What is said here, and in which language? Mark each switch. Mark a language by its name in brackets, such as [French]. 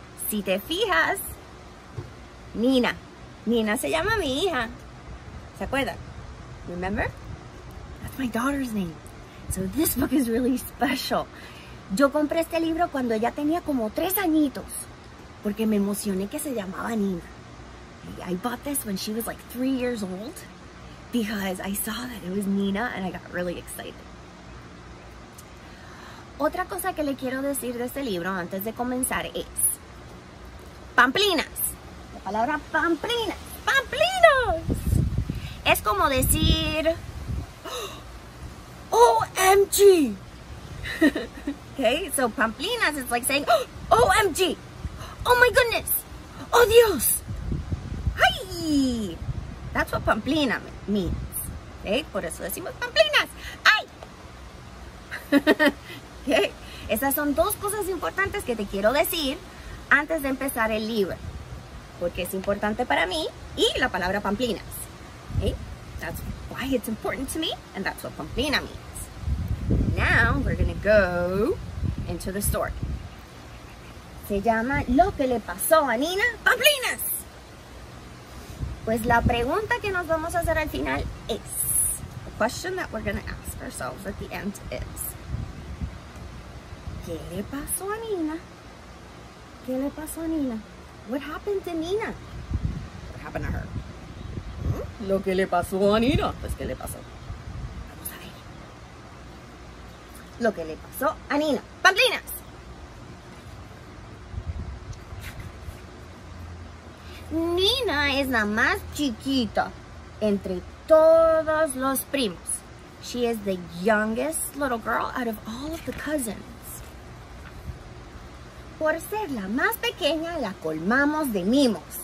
[Spanish] Si te fijas, Nina. Nina se llama mi hija. ¿Se acuerdan? [English] Remember? That's my daughter's name. So this book is really special. [Spanish] Yo compré este libro cuando ella tenía como 3 añitos. Porque me emocioné que se llamaba Nina. [English] I bought this when she was like 3 years old. Because I saw that it was Nina and I got really excited. [Spanish] Otra cosa que le quiero decir de este libro antes de comenzar es... Pamplinas. La palabra pamplinas. ¡Pamplinas! Es como decir... ¡OMG! [English] Okay, so pamplinas is like saying... ¡OMG! ¡Oh my goodness! [Spanish] ¡Oh Dios! [English] ¡Ay! That's what pamplina means. Okay, [Spanish] por eso decimos pamplinas. [English] ¡Ay! Okay. [Spanish] Esas son 2 cosas importantes que te quiero decir antes de empezar el libro. Porque es importante para mí y la palabra pamplinas. [English] Okay. That's why it's important to me and that's what pamplina means. Now we're going to go into the story. [Spanish] Se llama Lo que le pasó a Nina, pamplinas. Pues la pregunta que nos vamos a hacer al final es... [English] The question that we're going to ask ourselves at the end is... [Spanish] ¿Qué le pasó a Nina? ¿Qué le pasó a Nina? [English] What happened to Nina? What happened to her? [Spanish] Lo que le pasó a Nina. Pues, ¿qué le pasó? Vamos a ver. Lo que le pasó a Nina. ¡Pamplinas! Nina es la más chiquita entre todos los primos. [English] She is the youngest little girl out of all of the cousins. [Spanish] Por ser la más pequeña, la colmamos de mimos.